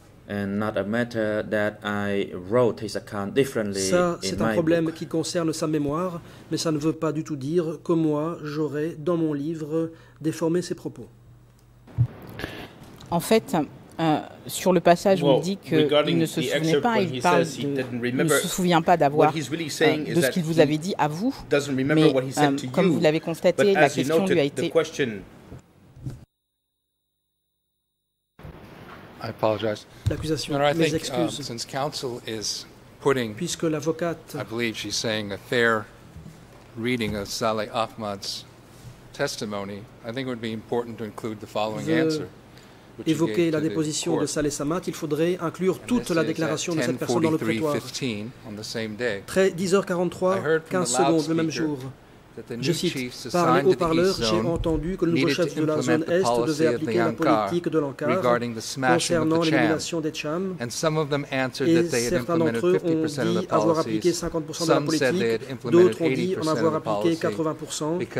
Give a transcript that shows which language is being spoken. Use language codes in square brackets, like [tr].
[en] And not a matter that I wrote his account differently. [fr] Ça, c'est un problème qui concerne sa mémoire, mais ça ne veut pas du tout dire que moi, j'aurais, dans mon livre, déformé ses propos. En fait, sur le passage, on dit qu'il ne se souvenait pas, il parle de, ne se souvient pas d'avoir de ce qu'il vous avait dit à vous, mais comme vous l'avez constaté, la question lui a été... [en] I apologize. [fr] L'accusation, mes excuses. [en] Since counsel is putting, [fr] puisque l'avocate, [en] I believe she's saying a fair reading of Saleh Ahmad's testimony, I think it would be important to include the following answer. [fr] Évoquer la déposition de Saleh Samad, il faudrait inclure toute la déclaration de cette personne dans le prétoire. 10h43, 15 secondes, le même jour. Je cite, par les haut-parleurs, j'ai entendu que le nouveau chef de la zone Est devait appliquer la politique de l'Ankar concernant l'élimination des Cham, et certains d'entre eux ont dit avoir appliqué 50% de la politique, d'autres ont dit en avoir appliqué 80%,